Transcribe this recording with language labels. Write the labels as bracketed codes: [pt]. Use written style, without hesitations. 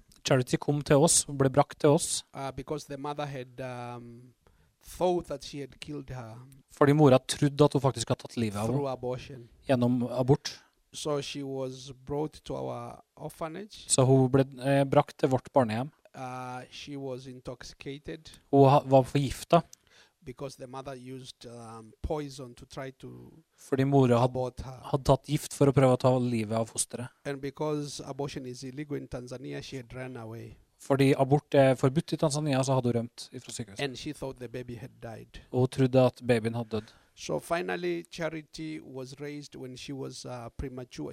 [no] Charity kom til oss, ble brakt til oss. [en] Because the mother had thought that she had killed her. [no] Fordi mora trodde at hun faktisk hadde tatt livet av [en] henne. Through abortion. [no] Gjennom abort. [en] So she was brought to our orphanage. [no] Så hun ble brakt til vårt barnehjem. [en] She was intoxicated. [no] Hun var forgiftet. [en] Because the mother used poison to try to [no] fordi mora hadde tatt gift for å prøve å ta livet av fosteret. [en] And because abortion is illegal in Tanzania, she had run away. [no] Fordi abort forbudt I Tanzania, så hadde hun rømt fra sykehuset. [en] And she thought the baby had died. [no] Og hun trodde at babyen hadde dødd. [en] So finally, Charity was raised when she was premature.